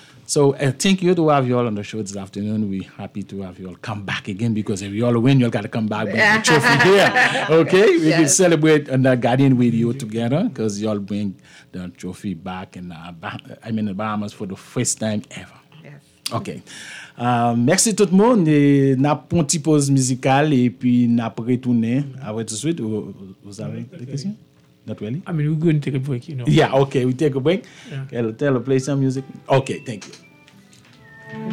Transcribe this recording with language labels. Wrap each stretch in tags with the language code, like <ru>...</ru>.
<en>So thank you to have you all on the show this afternoon. We're happy to have you all come back again, because if you all win, you've got to come back with the trophy here. Okay? We can celebrate on the Guardian with you together, because you all bring the trophy back in the Bahamas for the first time ever.</en> <fr>Ok. Merci tout le monde. On a une petite pause musicale et puis on a retourné. Après tout de suite, vous avez des questions?</fr> <en>Not really? I mean, we're going to take a break, you know. Yeah, ok. We take a break. Yeah. Okay, tell her, play some music. Ok, thank you.</en>